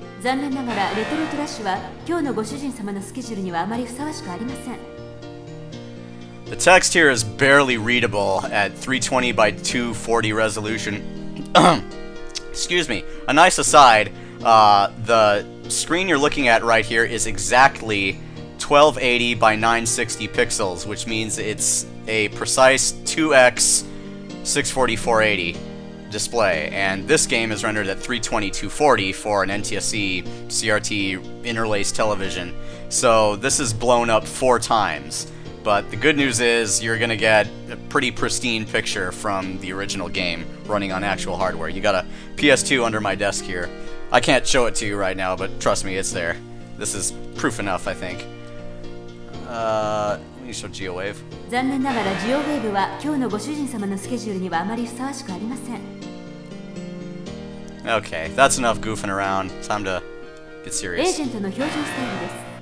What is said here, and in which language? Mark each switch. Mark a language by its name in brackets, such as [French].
[Japanese] 残念ながらレトロトラッシュは今日のご主人様のスケジュールにはあまりふさわしくありません。 [English] The text here is barely readable at 320 by 240 resolution. Excuse me. A nice aside, the screen you're looking at right here is exactly 1280 by 960 pixels, which means it's a precise 2x 640x480. Display, and this game is rendered at 320x240 for an NTSC CRT interlaced television. So this is blown up four times. But the good news is you're gonna get a pretty pristine picture from the original game running on actual hardware. You got a PS2 under my desk here. I can't show it to you right now, but trust me, it's there. This is proof enough, I think. Let me show GeoWave. [Japanese] 残念ながら GeoWave は今日のご主人様のスケジュールにはあまりふさわしくありません。 [English] Okay, that's enough goofing around. Time to get serious. [Japanese] エージェントの表情スタイルです。